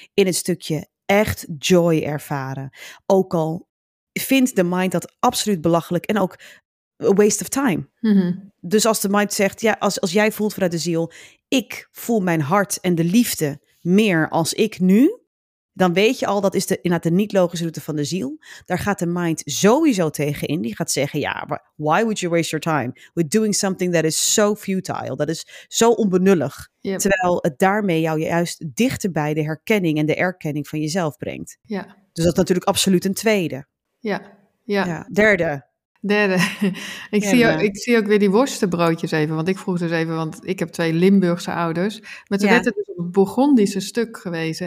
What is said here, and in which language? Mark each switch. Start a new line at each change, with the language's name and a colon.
Dutch: In het stukje echt joy ervaren. Ook al vindt de mind dat absoluut belachelijk en ook
English: a waste of time.
Dutch: Dus als de mind zegt, als jij voelt vanuit de ziel, ik voel mijn hart en de liefde meer als ik nu, dan weet je al, dat is inderdaad de niet-logische route van de ziel. Daar gaat de mind sowieso tegen in. Die gaat zeggen,
English: why would you waste your time with doing something that is so futile?
Dutch: Dat is zo onbenullig. Yep. Terwijl het daarmee jou juist dichter bij de herkenning en de erkenning van jezelf brengt. Ja. Dus dat is natuurlijk absoluut een tweede. Ja. Ja. Ja. Derde. Derde. Ik zie ook weer die worstenbroodjes even. Want ik vroeg dus even, want ik heb twee Limburgse ouders. Maar toen werd het een Bourgondische stuk gewezen.